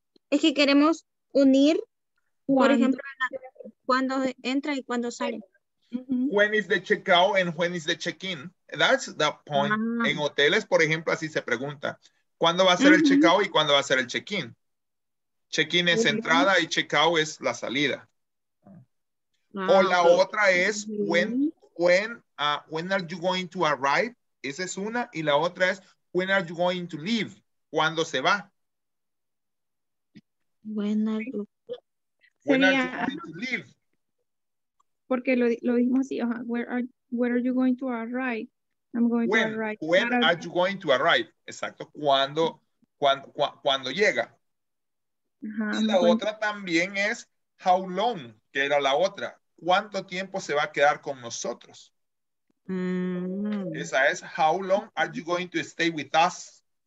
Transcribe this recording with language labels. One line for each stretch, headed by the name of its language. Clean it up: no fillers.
Spanish: Es que queremos unir, por ejemplo, cuando entra y cuando sale.
English: When is the checkout and when is the check-in? That's the point.
Spanish: Uh-huh. En hoteles, por ejemplo, así se pregunta. ¿Cuándo va a ser el checkout y cuándo va a ser el check-in? Check-in es entrada y checkout es la salida. Uh-huh. O la otra es
English: when are you going to arrive?
Spanish: Esa es una. Y la otra es
English: when are you going to leave?
Spanish: ¿Cuándo se va?
English: When are you going to leave?
Spanish: Porque lo dijimos así, ajá.
English: Where are you going to arrive? When are you going to arrive?
Spanish: Exacto. ¿Cuándo llega? Ajá, y la otra también es
English: how long,
Spanish: que era la otra. ¿Cuánto tiempo se va a quedar con nosotros? Esa es
English: how long are you going to stay with us?